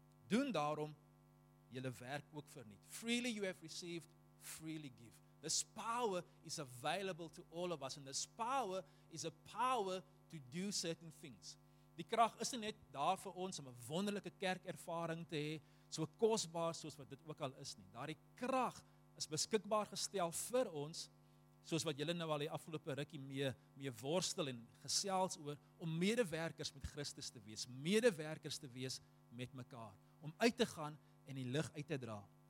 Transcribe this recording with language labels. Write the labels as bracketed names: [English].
[Afrikaans] Doen daarom julle werk ook verniet. [English] Freely you have received, freely give. This power is available to all of us and this power is a power to do certain things. [Afrikaans] Die krag is nie net daar vir ons om 'n wonderlike kerkervaring te hê, so kosbaar soos wat dit ook al is nie. Daardie krag is beskikbaar gestel vir ons, soos wat julle nou al die afgelope rukkie mee worstel en gesels oor, om medewerkers met Christus te wees, medewerkers te wees met mekaar, om uit te gaan en die lig uit te dra.